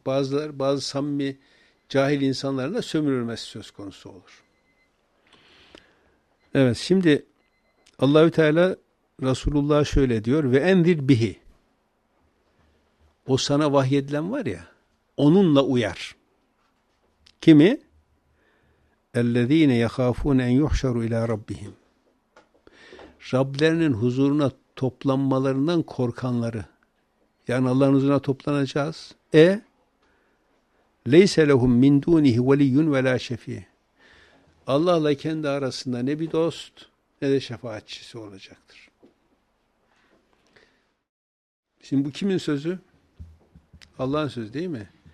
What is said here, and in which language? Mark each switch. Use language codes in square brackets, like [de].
[tr] Bazı samimi cahil insanların da sömürülmesi söz konusu olur. Evet, şimdi Allahü Teala Resulullah'a şöyle diyor ve enzir bihi. O sana vahyedilen var ya, onunla uyar. Kimi? [ar] اَلَّذ۪ينَ يَخَافُونَ اَنْ يُحْشَرُوا اِلٰى رَبِّهِمْ [tr] Rablerinin huzuruna toplanmalarından korkanları. Yani Allah'ın huzuruna toplanacağız. [ar] لَيْسَ لَهُمْ مِنْ دُونِهِ وَلِيٌّ وَلَا شَف۪ي [tr] Allah'la kendi arasında ne bir dost ne de şefaatçisi olacaktır. Şimdi bu kimin sözü? Allah'ın sözü değil mi?